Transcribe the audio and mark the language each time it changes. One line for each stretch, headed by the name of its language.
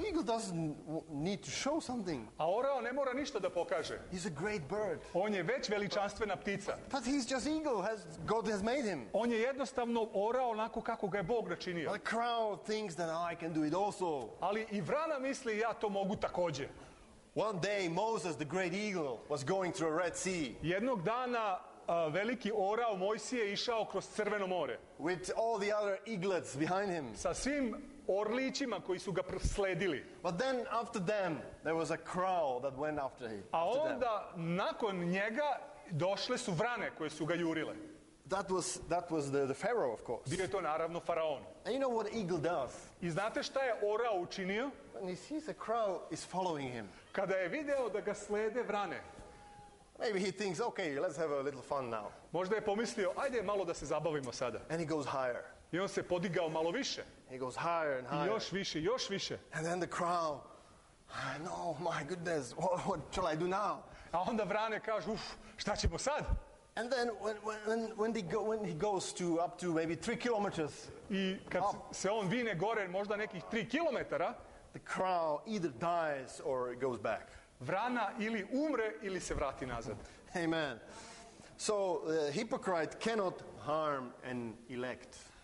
English: Eagle doesn't need to show something.
Serbian: A orao ne mora ništa da pokaže.
English: He's a great bird.
Serbian: On je već veličanstvena ptica.
English: But he's just eagle, as God has made him.
Serbian: On je jednostavno orao onako kako ga je Bog načinio.
English: But the crow thinks that I can do it also.
Serbian: Ali i vrana misli ja to mogu takođe.
English: One day Moses the great eagle was going through a Red Sea.
Serbian: Jednog dana veliki orao Mojsije išao kroz Crveno more.
English: With all the other eaglets behind him.
Serbian: Sa svim orlićima koji su ga preslijedili.
English: But then after them there was a crow that went after him.
Serbian: A onda nakon njega došle su vrane koje su ga jurile.
English: That was the pharaoh, of course.
Serbian: Bio je to naravno faraon.
English: And you know what eagle does?
Serbian: I znate šta je orao učinio?
English: When he sees a crow is following him.
Serbian: Kada je video da ga slede vrane.
English: Maybe he thinks, okay, let's have a little fun now.
Serbian: Možda je pomislio, ajde malo da se zabavimo sada.
English: And he goes higher.
Serbian: I on se podigao malo više.
English: He goes higher and higher.
Serbian: I još više, još više.
English: And then the crow, no, my goodness, what shall I do now?
Serbian: A onda vrane kažu, uf, šta ćemo sad?
English: And then when he goes to up to maybe 3 kilometers.
Serbian: I kad se on vine gore, možda nekih 3 kilometara.
English: The crow either dies or it goes back.
Serbian: Vrana ili umre ili se vrati nazad.
English: Amen. So the hypocrite cannot harm and elect.